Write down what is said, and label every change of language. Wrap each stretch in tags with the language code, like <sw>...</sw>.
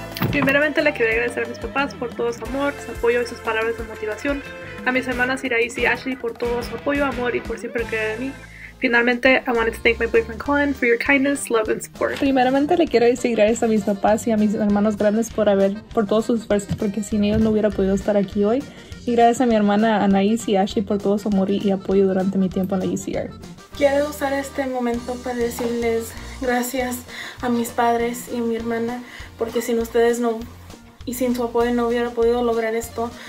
<es>Primeramente, le quiero agradecer a mis papás por todo su amor, su apoyo y sus palabras de motivación. A mis hermanas Iraís y Ashley por todo su apoyo, amor y por siempre creer en mí.</es> <en>Finalmente, I wanted to thank my boyfriend Colin for your kindness, love, and support.</en> <es>Primeramente, le quiero decir gracias a mis papás y a mis hermanos grandes por todos sus esfuerzos, porque sin ellos no hubiera podido estar aquí hoy. Y gracias a mi hermana Anaís y Ashley por todo su amor y apoyo durante mi tiempo en la UCR. Quiero usar este momento para decirles gracias a mis padres y a mi hermana, porque sin ustedes no, y sin su apoyo no hubiera podido lograr esto.</es>